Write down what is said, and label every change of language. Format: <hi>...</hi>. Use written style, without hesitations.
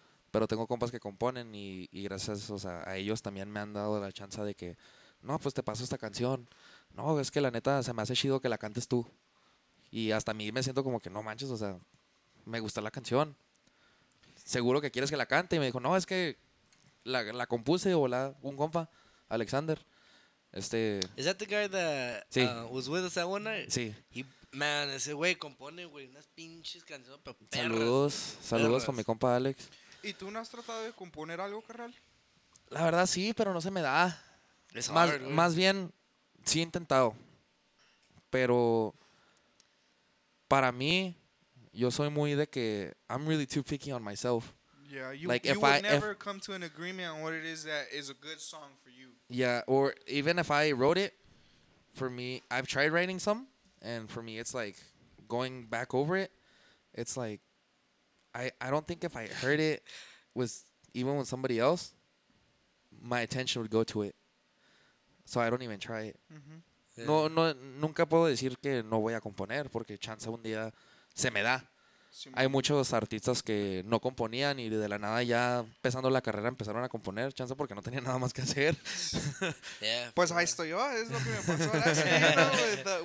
<es>Pero tengo compas que componen y gracias, o sea, a ellos también me han dado la chance de que, no, pues te paso esta canción. No, es que la neta se me hace chido que la cantes tú. Y hasta a mí me siento como que no manches, o sea, me gusta la canción. Seguro que quieres que la cante. Y me dijo, no, es que la compuse, o la, un compa, Alexander.</es> <en>¿Es that the guy that was with us that one night?</en> <es>Sí. Man, ese güey compone, güey, unas pinches canciones, pero perras. Saludos con mi compa Alex. ¿Y tú no has tratado de componer algo, carnal? La verdad sí, pero no se me da. Es</es> <en>hard,</en> <es>más bien, sí he intentado. Pero para mí, yo soy muy de que</es> <en>I'm really too picky on myself. Yeah, you would never come to an agreement on what it is that is a good song for you. Yeah, or even if I wrote it, for me, I've tried writing some, and for me, it's like going back over it. It's like, I don't think if I heard it with even with somebody else, my attention would go to it. So I don't even try it. Mm-hmm. Yeah.</en> <es>No, nunca puedo decir que no voy a componer, porque chance un día se me da. Hay muchos artistas que no componían y de la nada ya empezando la carrera empezaron a componer, chance porque no tenían nada más que hacer.</es> <en>Yeah,</en> <es>pues ahí estoy yo, es lo que me pasó.</es>